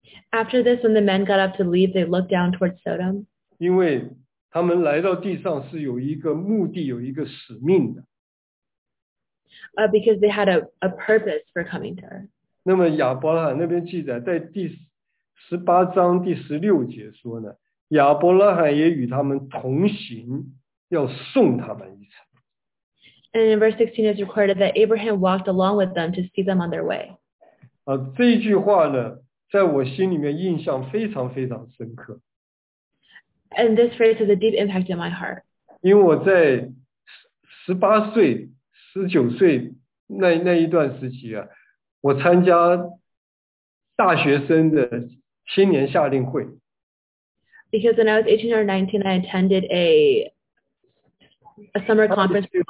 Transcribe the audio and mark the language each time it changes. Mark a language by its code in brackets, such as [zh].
[en] After this, when the men got up to leave, they looked down towards Sodom. [zh] 因为他们来到地上是有一个目的，有一个使命的。 [en] Because they had a purpose for coming to her. [zh] 那么亚伯拉罕那边记载，在第十八章第十六节说呢，亚伯拉罕也与他们同行，要送他们一程。 [en] And in verse 16 is recorded that Abraham walked along with them to see them on their way. [zh] 这一句话呢，在我心里面印象非常非常深刻。 [en] And this phrase has a deep impact in my heart. [zh] 因为我在18岁、19岁那一段时期啊，我参加大学生的青年夏令会。 [en] Because when I was 18 or 19, I attended a summer conference.